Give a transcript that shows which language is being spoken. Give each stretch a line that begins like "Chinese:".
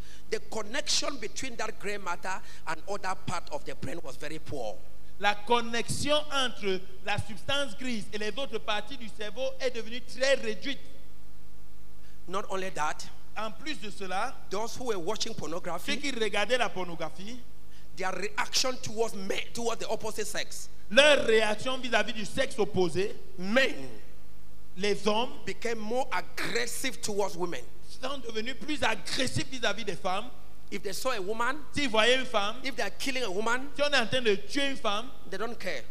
English: The connection between that gray matter and other part of the brain was very poor.
French: La connexion entre la substance grise et les autres parties du cerveau est devenue très réduite.
English: Not only that,
French: en plus de cela,
English: those who were watching pornography,
French: ceux qui regardaient la pornographie,
English: their reaction towards men, towards the opposite sex.
French: Leur réaction vis-à-vis du sexe opposé,
English: men,
French: les hommes,
English: became more aggressive towards women.
French: Sont devenus plus agressifs vis-à-vis des femmes.
English: if they saw a woman,
French: s'ils voyaient une femme,
English: if they are killing a woman,
French: si on est en train de tuer une femme,
English: they don't care.